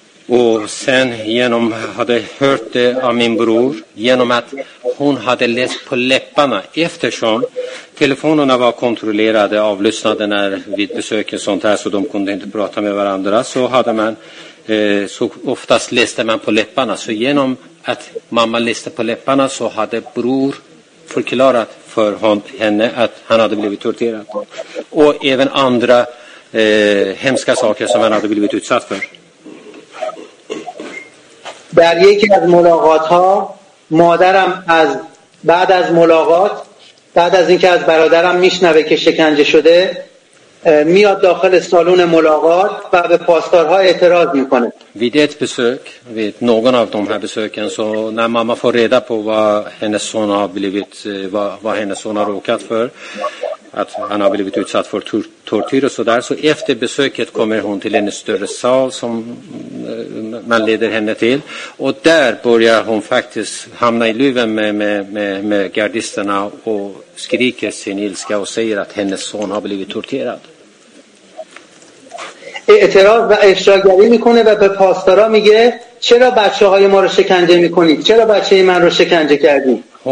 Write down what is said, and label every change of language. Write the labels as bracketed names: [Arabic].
[Swedish] Och sen genom hade hört det av min bror, genom att hon hade läst på läpparna, eftersom telefonerna var kontrollerade, avlyssnade när vid besök och sånt här, så de kunde inte prata med varandra, så hade man så oftast läste man på läpparna. Så genom att mamma läste på läpparna så hade bror förklarat för henne att han hade blivit torterad. Och även andra hemska saker som han hade blivit utsatt för. [Persian] در یکی از ملاقات ها مادرم از بعد از ملاقات بعد از اینکه از برادرم میشنوه که شکنجه شده میاد داخل سالون ملاقات و به پاسدارها اعتراض میکنه. [Swedish] Vid ett besök, vid någon av de här besöken, så när mamma får reda på vad hennes son har blivit, vad hennes son har råkat för, att han har blivit utsatt för tortyr och sådär, så efter besöket kommer hon till en större sal som man leder henne till, och där börjar hon faktiskt hamna i luven med gardisterna och skriker sin ilska och säger att hennes son har blivit torterad. [Persian] اعتراض و افشاگری میکنه و به پاسدارا میگه چرا بچه های ما رو شکنجه میکنید؟ چرا بچه من رو شکنجه کردید؟